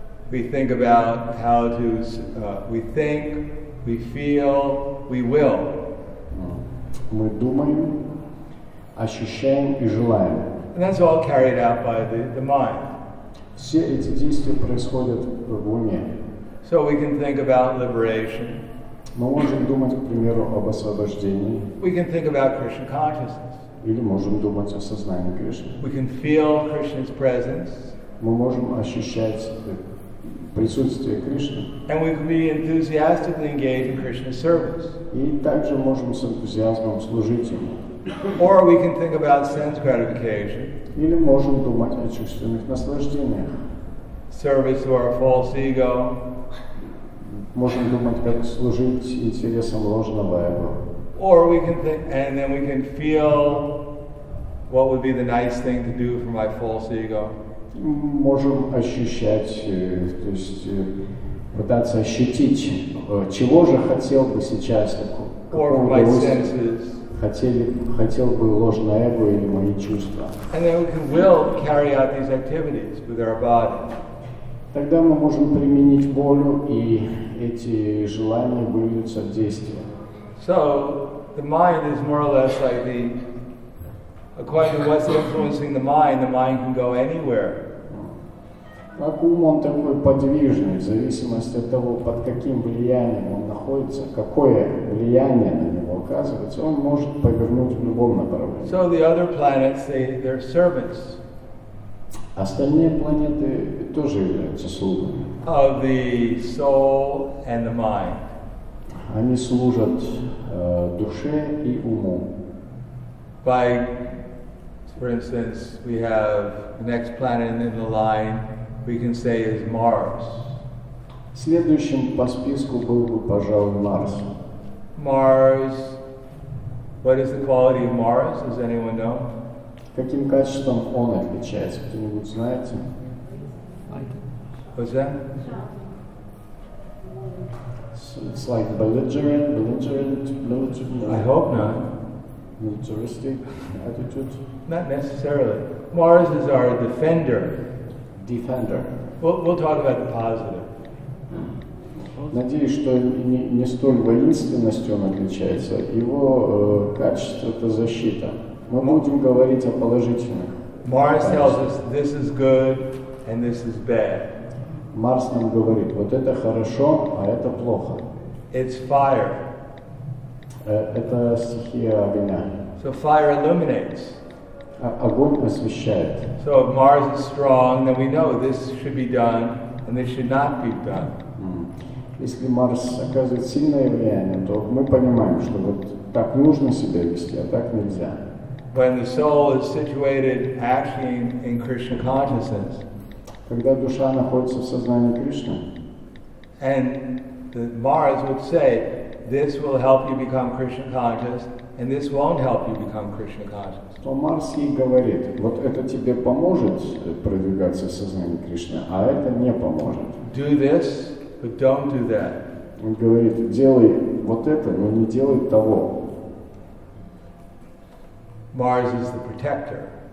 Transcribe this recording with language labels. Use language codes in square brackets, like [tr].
[en] We think about how to we think, we feel, we will. [ru] Мы думаем, ощущаем и желаем. [en] And that's all carried out by the mind. [ru] Все эти действия происходят в уме. [en] So we can think about liberation. [ru] Мы можем думать, к примеру, об освобождении. [en] We can think about Krishna consciousness. [ru] Или можем думать о сознании Кришны. [en] We can feel Krishna's presence. [ru] Мы можем ощущать присутствие Кришны. [en] And we can be enthusiastically engaged in Krishna's service. [ru] И также можем с энтузиазмом служить ему. [en] Or we can think about sense gratification. [ru] Или можем думать о чувственных наслаждениях. [en] Service to our false ego. [ru] Можем думать, как служить интересам ложного эго. [en] Or we can think, and then we can feel what would be the nice thing to do for my false ego. [ru] Можем ощущать, то есть пытаться ощутить, чего же хотел бы сейчас, хотел бы ложное эго или мои чувства. [en] And then we can will carry out these activities with our body. [ru] Тогда мы можем применить волю, и эти желания выльются в действие. [en] So, the mind is more or less like the, according to what's influencing the mind can go anywhere. [ru] Как ум, он такой подвижный, в зависимости от того, под каким влиянием он находится, какое влияние на него оказывается, он может повернуть в любом направлении. [en] So the other planets, they're servants. [ru] Остальные планеты тоже являются слугами. [en] Of the soul and the mind. [ru] Они служат душе и уму. [en] By, for instance, we have the next planet in the line, we can say is Mars. [ru] Следующим по списку был бы, пожалуй, Марс. [en] Mars. What is the quality of Mars? Does anyone know? [ru] Каким качеством он отличается? Кто-нибудь знает? [en] What's that? It's like belligerent. I hope not. Militaristic attitude. Not necessarily. Mars is our defender. Defender. We'll talk about the positive. [ru] Надеюсь, что не столь воинственностью он отличается. Его качество это защита. Мы будем говорить о положительных. [en] Mars tells us this is good and this is bad. [ru] Марс нам говорит, вот это хорошо, а это плохо. [en] It's fire. [ru] Это стихия огня. [en] So fire illuminates. [ru] Огонь освещает. [en] So if Mars is strong, then we know this should be done and this should not be done. [ru] Если Марс оказывает сильное влияние, то мы понимаем, что вот так нужно себя вести, а так нельзя. [en] When the soul is situated actually in Krishna consciousness, [ru] когда душа находится в сознании Кришны, [en] and the Mars would say, this will help you become Krishna conscious, and this won't help you become Krishna conscious. [ru] То Марс ей говорит, вот это тебе поможет продвигаться в сознании Кришны, а это не поможет. [en] Do this, but don't do that. [ru] Он говорит, делай вот это, но не делай того. [en] Mars is the protector.